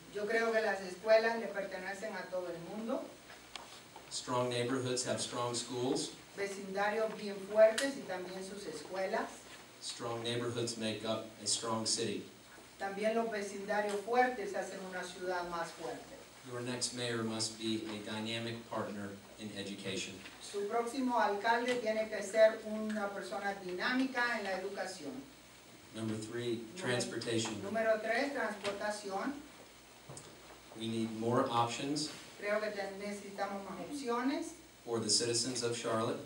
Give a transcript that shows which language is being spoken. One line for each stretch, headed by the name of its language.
Spanish: Yo creo que las escuelas le pertenecen a todo el mundo.
English: Strong neighborhoods have strong schools.
Spanish: Vecindarios bien fuertes y también sus escuelas.
English: Strong neighborhoods make up a strong city.
Spanish: También los vecindarios fuertes hacen una ciudad más fuerte.
English: Your next mayor must be a dynamic partner in education.
Spanish: Su próximo alcalde tiene que ser una persona dinámica en la educación.
English: Number three, transportation.
Spanish: Número tres, transportación.
English: We need more options.
Spanish: Creo que necesitamos más opciones.
English: For the citizens of Charlotte.